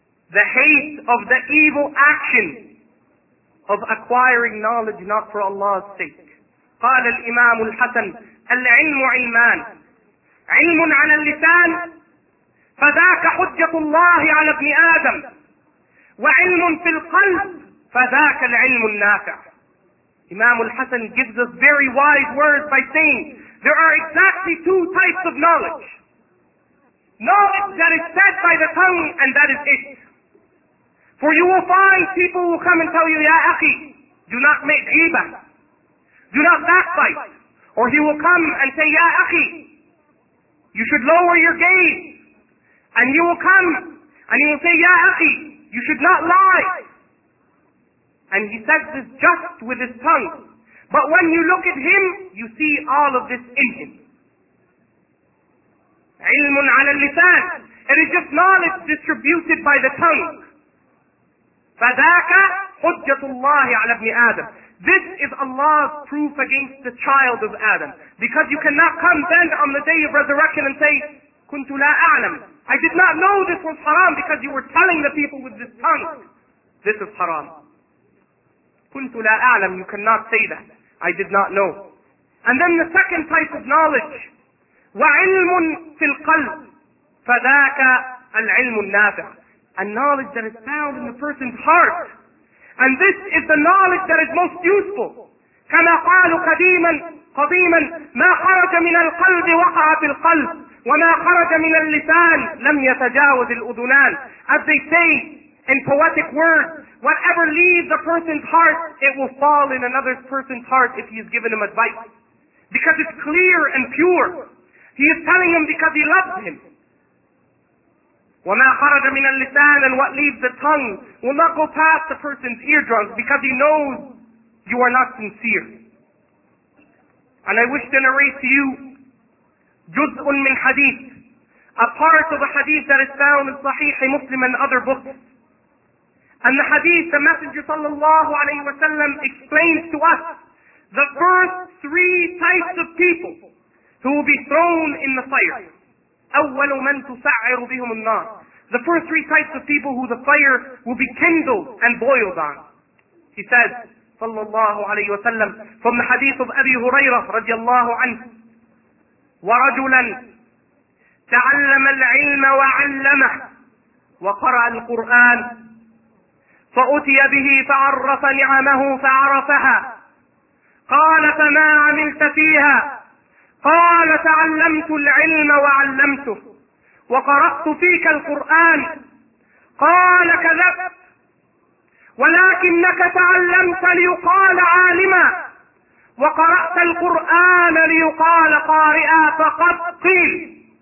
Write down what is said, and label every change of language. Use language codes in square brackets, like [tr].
[en] The hate of the evil action of acquiring knowledge not for Allah's sake. [ar] قال الإمام الحسن العلم علمان علم على اللسان فذاك حجة الله على ابن آدم وعلم في القلب فذاك العلم النافع. [en] Imam al-Hasan gives us very wise words by saying there are exactly two types of knowledge. Knowledge that is said by the tongue, and that is it. For you will find people who come and tell you, Ya Akhi, do not make ghibah. Do not backbite. Or he will come and say, Ya Akhi, you should lower your gaze. And you will come and he will say, Ya Akhi, you should not lie. And he says this just with his tongue. But when you look at him, you see all of this in him. [ar] علم على اللسان. [en] It is just knowledge distributed by the tongue. [ar] فذاك حجة الله على ابن آدم. [en] This is Allah's proof against the child of Adam. Because you cannot come then on the day of resurrection and say, [ar] كنت لا أعلم. [en] I did not know this was haram because you were telling the people with this tongue. This is haram. [ar] كنت لا أعلم. [en] You cannot say that. I did not know. And then the second type of knowledge. [ar] وعلم في القلب فذاك العلم النافع. [en] A knowledge that is found in the person's heart. And this is the knowledge that is most useful. [ar] كما قالوا قديما قديما ما خرج من القلب وقع في القلب وما خرج من اللسان لم يتجاوز الأذنان. [en] As they say in poetic words, whatever leaves a person's heart, it will fall in another person's heart if he has given him advice. Because it's clear and pure. He is telling him because he loves him. [ar] وَمَا خَرَجَ مِنَ اللِّسَانِ [en] And what leaves the tongue will not go past the person's eardrums because he knows you are not sincere. And I wish to narrate to you [ar] جُزْءٌ مِّنْ حَدِيثٍ [en] A part of a hadith that is found in Sahih Muslim and other books. And the hadith, the Messenger sallallahu alayhi wa sallam explains to us the first three types of people who will be thrown in the fire. [ar] أول من تسعر بهم النار. [en] The first three types of people who the fire will be kindled and boiled on. He says, [ar] صلى الله عليه وسلم, [en] from the hadith of [ar] أبي هريرة رضي الله عنه, ورجلا تعلم العلم وعلمه وقرأ القرآن فأتي به فعرف نعمه فعرفها قال فما عملت فيها قال تعلمت العلم وعلمته وقرأت فيك القرآن قال كذبت ولكنك تعلمت ليقال عالما وقرأت القرآن ليقال قارئا فقد قيل